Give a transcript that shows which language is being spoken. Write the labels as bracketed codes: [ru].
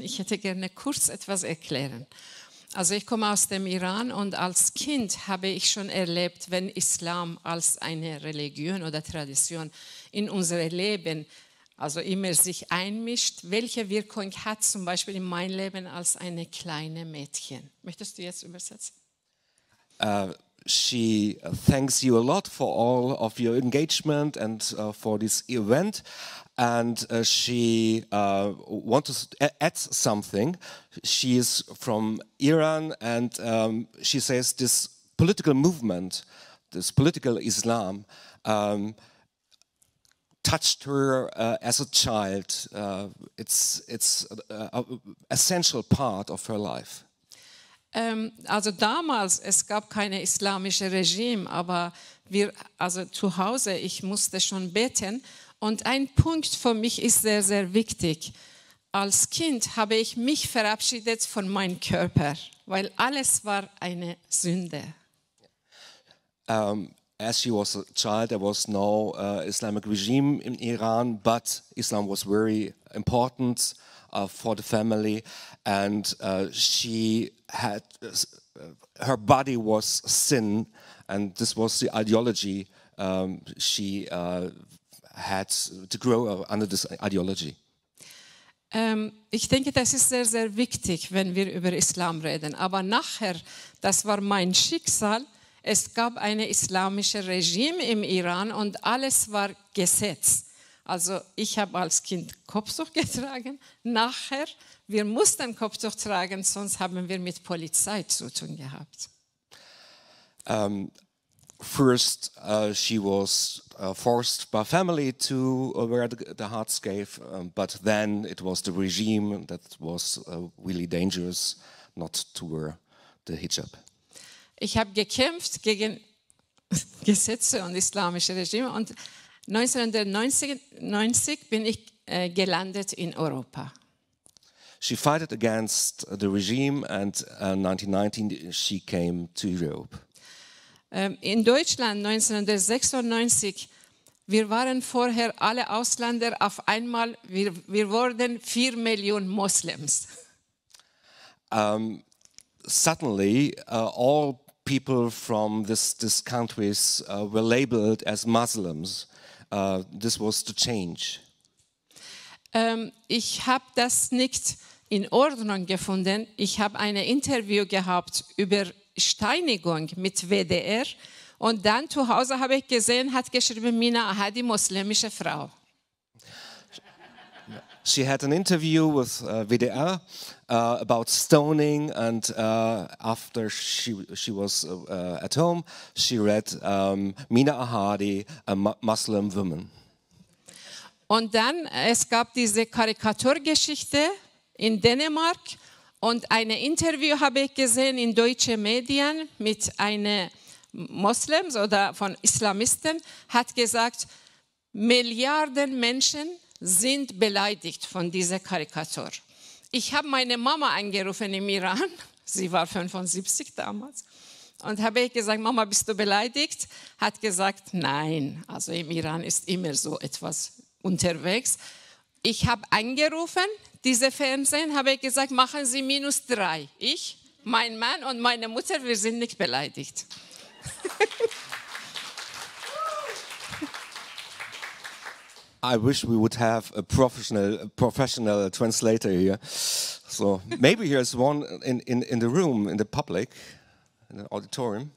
[de] Ich hätte gerne kurz etwas erklären. Also ich komme aus dem Iran und als Kind habe ich schon erlebt, wenn Islam als eine Religion oder Tradition in unser Leben, also immer sich einmischt, welche Wirkung hat zum Beispiel in mein Leben als eine kleine Mädchen? Möchtest du jetzt übersetzen? [en] She thanks you a lot for all of your engagement and for this event. And she wants to add something. She is from Iran and she says this political movement, this political Islam, touched her as a child. It's an essential part of her life. [de] Also damals, es gab keine islamische Regime, aber wir, also zu Hause, ich musste schon beten. Und ein Punkt für mich ist sehr, sehr wichtig. Als Kind habe ich mich verabschiedet von meinem Körper, weil alles war eine Sünde. [en] As she was a child, there was no Islamic regime in Iran, but Islam was very important for the family. And she had, her body was sin, and this was the ideology she had to grow under this ideology. [de] Ich denke, das ist sehr, sehr wichtig, wenn wir über Islam reden. Aber nachher, das war mein Schicksal, es gab ein islamisches Regime im Iran und alles war Gesetz. Also ich habe als Kind Kopftuch getragen, nachher, wir mussten Kopftuch tragen, sonst haben wir mit Polizei zu tun gehabt. [en] First she was forced by family to wear the hard scarf, but then it was the regime that was really dangerous not to wear the hijab. [de] Ich habe gekämpft gegen Gesetze und islamische Regime und 1990 bin ich gelandet in Europa. [en] She fought against the regime and 1919 she came to Europe. [de] In Deutschland 1996, wir waren vorher alle Ausländer, auf einmal wir wurden 4 Millionen Moslems. [en] Suddenly all people from this countries were labeled as Muslims. This was the change. [de] Ich habe das nicht in Ordnung gefunden. Ich habe eine Interview gehabt über Steinigung mit WDR und dann zu Hause habe ich gesehen, hat geschrieben, Mina Ahadi, muslimische Frau. [en] She had an interview with WDR about stoning and after she was at home, she read Mina Ahadi, a Muslim woman. [de] Und dann, es gab diese Karikaturgeschichte in Dänemark und ein Interview habe ich gesehen in deutschen Medien mit einem Muslim oder von Islamisten, hat gesagt, Milliarden Menschen sind beleidigt von dieser Karikatur. Ich habe meine Mama angerufen im Iran, sie war 75 damals, und habe ich gesagt, Mama, bist du beleidigt? Hat gesagt, nein, also im Iran ist immer so etwas unterwegs. Ich habe angerufen, diese Fernsehen, habe ich gesagt, machen Sie -3. Ich, mein Mann und meine Mutter, wir sind nicht beleidigt. [en] I wish we would have a professional translator here. So maybe here's one in the room, in the public, in the auditorium.